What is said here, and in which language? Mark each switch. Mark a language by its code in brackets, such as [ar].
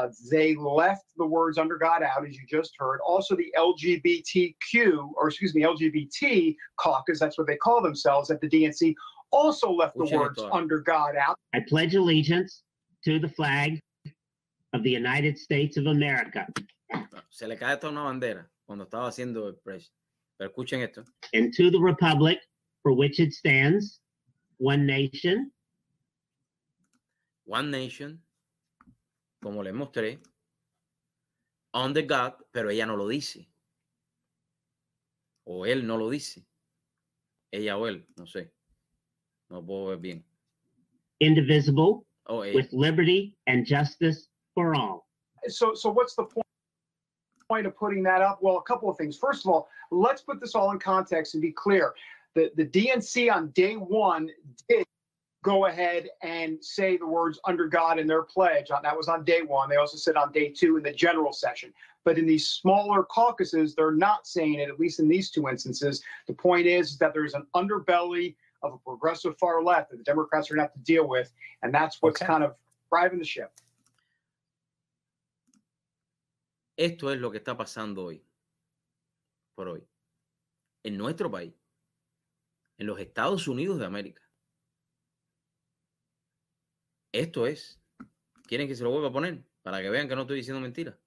[en] They left the words under God out, as you just heard. Also, the LGBT caucus, that's what they call themselves at the DNC, also left the words under God out. I pledge allegiance to the flag of the United States of America. [es] Se le cae una bandera cuando estaba haciendo el precio. Pero escuchen esto. [en] And to the republic for which it stands, one nation, [es] como le mostré, [en] under God, [es] pero ella no lo dice. O él no lo dice. Ella o él, no sé. No puedo ver bien. [en] Indivisible, with liberty and justice for all. So what's the point of putting that up? Well, a couple of things. First of all, let's put this all in context and be clear. The DNC on day one did go ahead and say the words under God in their pledge. That was on day one. They also said on day two in the general session. But in these smaller caucuses, they're not saying it, at least in these two instances. The point is that there's an underbelly of a progressive far left that the Democrats are going to have to deal with. And that's what's kind of driving the ship. [es] Esto es lo que está pasando hoy, por hoy, en nuestro país, en los Estados Unidos de América. Esto es. ¿Quieren que se lo vuelva a poner? Para que vean que no estoy diciendo mentiras.